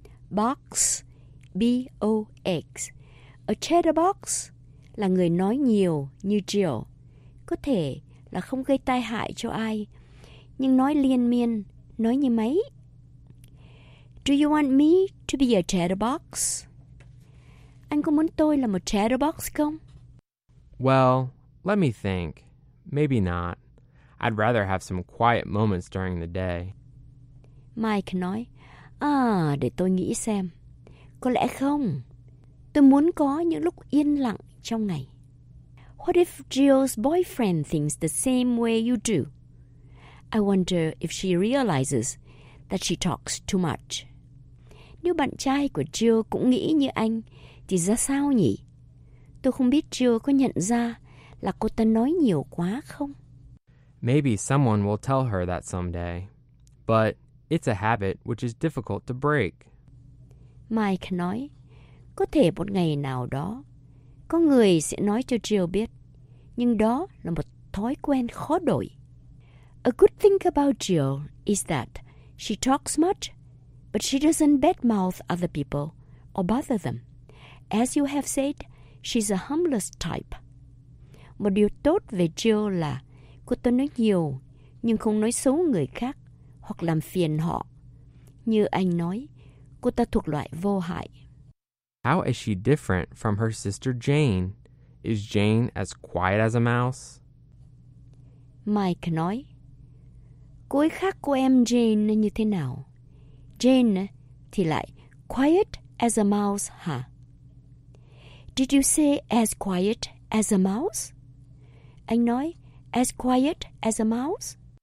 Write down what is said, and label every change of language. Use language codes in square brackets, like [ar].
[en] Box, B-O-X. [vi] A chatterbox là người nói nhiều như Jill. Có thể là không gây tai hại cho ai, nhưng nói liên miên, nói như máy. [en] Do you want me to be a chatterbox? [vi] Anh có muốn tôi là một chatterbox không? [en] Well, let me think. Maybe not. I'd rather have some quiet moments during the day. [vi] Mike nói, à, để tôi nghĩ xem. Có lẽ không. Tôi muốn có những lúc yên lặng trong ngày. [en] What if Jill's boyfriend thinks the same way you do? I wonder if she realizes that she talks too much. [vi] Nếu bạn trai của Jill cũng nghĩ như anh, thì ra sao nhỉ? Tôi không biết Jill có nhận ra là cô ta nói nhiều quá không? [en] Maybe someone will tell her that someday. But it's a habit which is difficult to break. [vi] Mike nói, có thể một ngày nào đó, có người sẽ nói cho Jill biết, nhưng đó là một thói quen khó đổi. [en] A good thing about Jill is that she talks much, but she doesn't badmouth other people or bother them. As you have said, she's a humblest type. [vi] Một điều tốt về Jill là cô ta nói nhiều, nhưng không nói xấu người khác hoặc làm phiền họ. Như anh nói, cô ta thuộc loại vô hại. [en] How is she different from her sister Jane? Is Jane as quiet as a mouse? [vi] Mike nói, cô ấy khác cô em Jane như thế nào? Jane thì lại [en] quiet as a mouse, [vi] hả? [en] Huh? Did you say as quiet as a mouse? [vi] Anh nói, [en] as quiet as a mouse?